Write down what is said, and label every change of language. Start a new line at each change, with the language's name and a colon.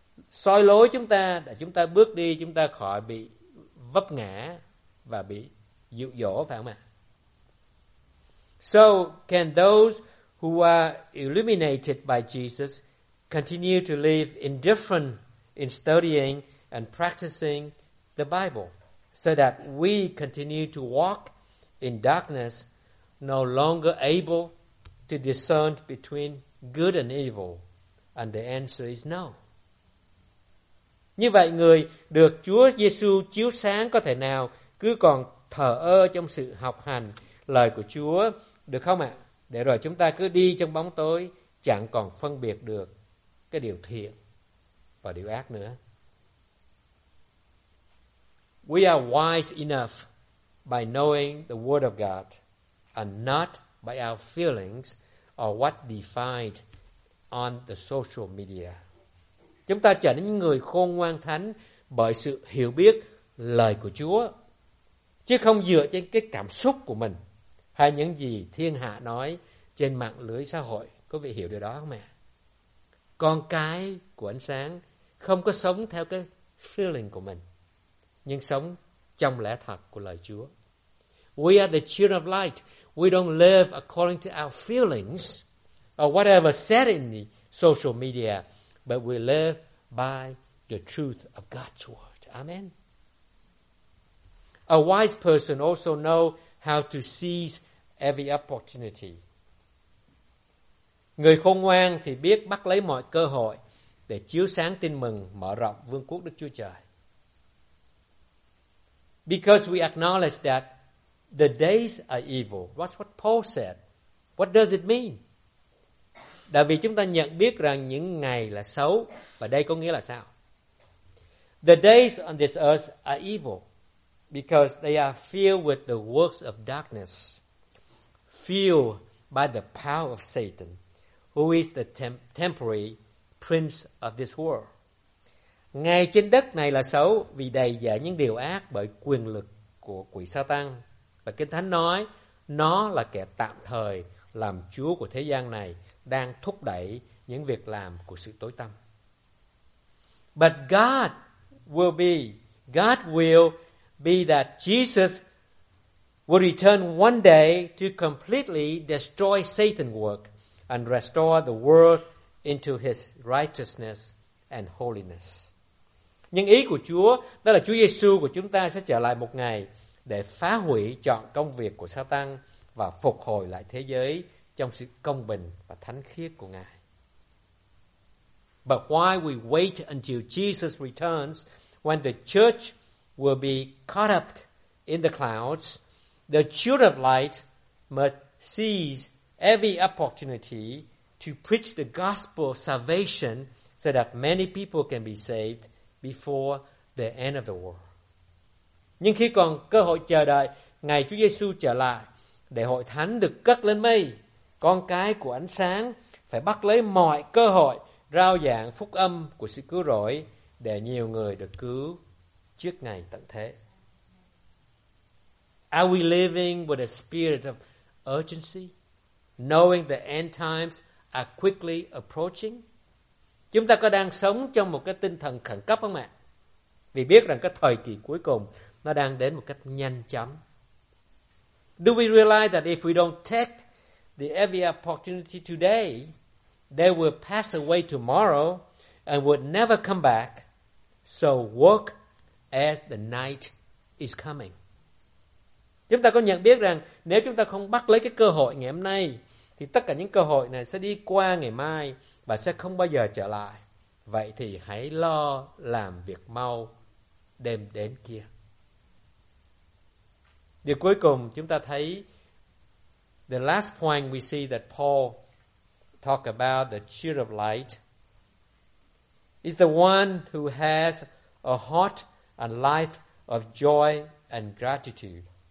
Vietnamese: Soi lối chúng ta để chúng ta bước đi, chúng ta khỏi bị vấp ngã và bị dụ dỗ, phải không ạ?
English: So can those who are illuminated by Jesus continue to live indifferent in studying and practicing the Bible so that we continue to walk in darkness, no longer able to discern between good and evil? And the answer is no.
Vietnamese: Như vậy người được Chúa Giêsu chiếu sáng có thể nào cứ còn thờ ơ trong sự học hành lời của Chúa được không ạ? Để rồi chúng ta cứ đi trong bóng tối, chẳng còn phân biệt được cái điều thiện và điều ác nữa.
English: We are wise enough by knowing the word of God and not by our feelings or what defined on the social media.
Vietnamese: Chúng ta trở nên những người khôn ngoan thánh bởi sự hiểu biết lời của Chúa, chứ không dựa trên cái cảm xúc của mình hay những gì thiên hạ nói trên mạng lưới xã hội. Có vị hiểu điều đó không ạ? Con cái của ánh sáng không có sống theo cái feeling của mình, nhưng sống trong lẽ thật của lời Chúa.
English: We are the children of light. We don't live according to our feelings or whatever said in the social media, but we live by the truth of God's word. Amen. A wise person also knows how to seize every opportunity.
Vietnamese: Người khôn ngoan thì biết bắt lấy mọi cơ hội để chiếu sáng tin mừng mở rộng vương quốc Đức Chúa Trời.
English: Because we acknowledge that the days are evil. That's what Paul said. What does it mean?
Vietnamese: Đã vì chúng ta nhận biết rằng những ngày là xấu, và đây có nghĩa là sao?
English: The days on this earth are evil because they are filled with the works of darkness, fueled by the power of Satan, who is the temporary prince of this world.
Vietnamese: Ngày trên đất này là xấu vì đầy dẫy những điều ác bởi quyền lực của quỷ Satan. Và Kinh Thánh nói, nó là kẻ tạm thời làm chúa của thế gian này, đang thúc đẩy những việc làm của sự tối tăm.
English: But God will be that Jesus will return one day to completely destroy Satan's work and restore the world into his righteousness and holiness.
Vietnamese: Nhưng ý của Chúa, đó là Chúa Giêsu của chúng ta sẽ trở lại một ngày để phá hủy trọn công việc của Satan và phục hồi lại thế giới trong sự công bình và thánh khiết của Ngài.
English: But why we wait until Jesus returns when the church will be caught up in the clouds, the children of light must seize every opportunity to preach the gospel of salvation so that many people can be saved before the end of the world.
Vietnamese: Nhưng khi còn cơ hội chờ đợi ngày Chúa Giêsu trở lại để hội thánh được cất lên mây, con cái của ánh sáng phải bắt lấy mọi cơ hội rao giảng phúc âm của sự cứu rỗi để nhiều người được cứu trước ngày tận thế.
English: Are we living with a spirit of urgency, knowing the end times are quickly approaching?
Vietnamese: Chúng ta có đang sống trong một cái tinh thần khẩn cấp không ạ? Vì biết rằng cái thời kỳ cuối cùng nó đang đến một cách nhanh chóng.
English: Do we realize that if we don't take the every opportunity today, they will pass away tomorrow and would never come back? So work as the night is coming.
Vietnamese: Chúng ta có nhận biết rằng nếu chúng ta không bắt lấy cái cơ hội ngày hôm nay, thì tất cả những cơ hội này sẽ đi qua ngày mai và sẽ không bao giờ trở lại. Vậy thì hãy lo làm việc mau đêm đến kia. Điều cuối cùng chúng ta thấy,
English: the last point we see that Paul talk about, the cheer of light, is the one who has a heart and life of joy and gratitude.